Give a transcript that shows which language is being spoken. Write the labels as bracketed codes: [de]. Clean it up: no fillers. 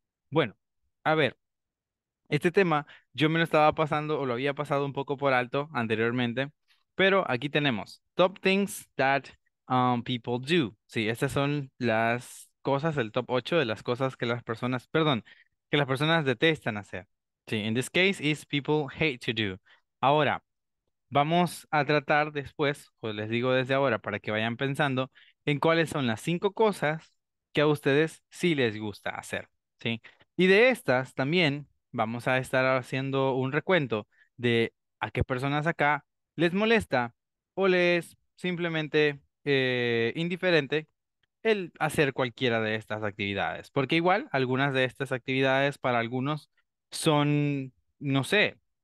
[es] Bueno, a ver, este tema yo me lo estaba pasando o lo había pasado un poco por alto anteriormente, pero aquí tenemos [en] top things that people do. [es] Sí, estas son las cosas, el top 8 de las cosas que las personas, perdón, que las personas detestan hacer. [en] Sí, in this case is people hate to do. [es] Ahora, vamos a tratar después, o les digo desde ahora para que vayan pensando en cuáles son las 5 cosas que a ustedes sí les gusta hacer. Sí, y de estas también vamos a estar haciendo un recuento de a qué personas acá les molesta o les simplemente indiferente el hacer cualquiera de estas actividades, porque igual algunas de estas actividades para algunos son, no sé,